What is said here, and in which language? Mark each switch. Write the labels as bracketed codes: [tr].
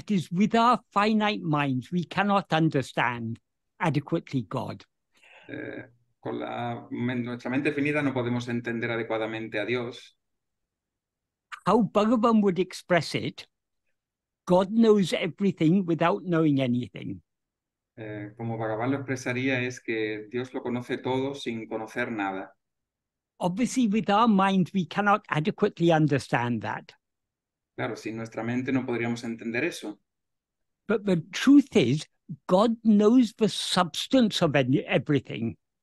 [en] With our finite minds, we cannot understand adequately God. [es] Nuestra mente finita no podemos entender adecuadamente a Dios. [en] How Bhagavan would express it, God knows everything without knowing anything. [es] Como Bhagavan lo expresaría es que Dios lo conoce todo sin conocer nada. [en] Obviously, with our minds, we cannot adequately understand that. [es] Claro, sin nuestra mente no podríamos entender eso. [en] But the truth is, God knows the substance of everything.